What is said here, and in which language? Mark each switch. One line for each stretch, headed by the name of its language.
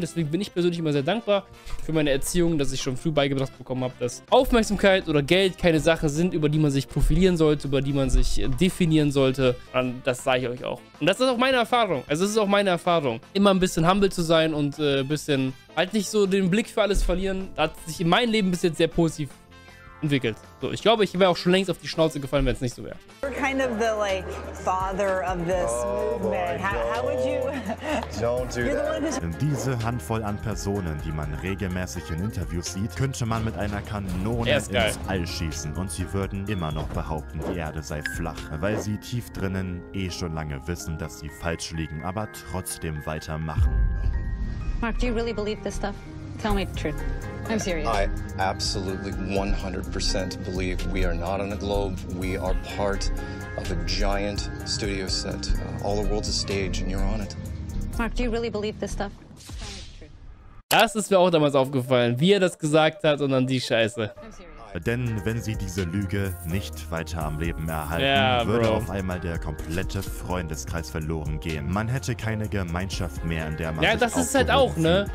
German: Deswegen bin ich persönlich immer sehr dankbar für meine Erziehung, dass ich schon früh beigebracht bekommen habe, dass Aufmerksamkeit oder Geld keine Sachen sind, über die man sich profilieren sollte, über die man sich definieren sollte. Und das sage ich euch auch. Und das ist auch meine Erfahrung. Also es ist auch meine Erfahrung. Immer ein bisschen humble zu sein und ein bisschen halt nicht so den Blick für alles verlieren, hat sich in meinem Leben bis jetzt sehr positiv entwickelt. So, ich glaube, ich wäre auch schon längst auf die Schnauze gefallen, wenn es nicht so wäre.
English: You're kind of the, like, father of this movement. How would you... Don't do that.
German: Diese Handvoll an Personen, die man regelmäßig in Interviews sieht, könnte man mit einer Kanone ins All schießen. Und sie würden immer noch behaupten, die Erde sei flach, weil sie tief drinnen eh schon lange wissen, dass sie falsch liegen, aber trotzdem weitermachen.
English: Mark, do you really believe this stuff? Tell me the truth. I'm serious. I absolutely 100% believe we are not on a globe. We are part of a giant studio set. All the world's a stage and you're on it. Mark, do you really believe this stuff?
German: Das ist mir auch damals aufgefallen, wie er das gesagt hat und dann die Scheiße. Denn wenn sie diese Lüge nicht weiter am Leben erhalten, würde auf einmal der komplette Freundeskreis verloren gehen. Man hätte keine Gemeinschaft mehr, in der man sich aufgehoben, ne?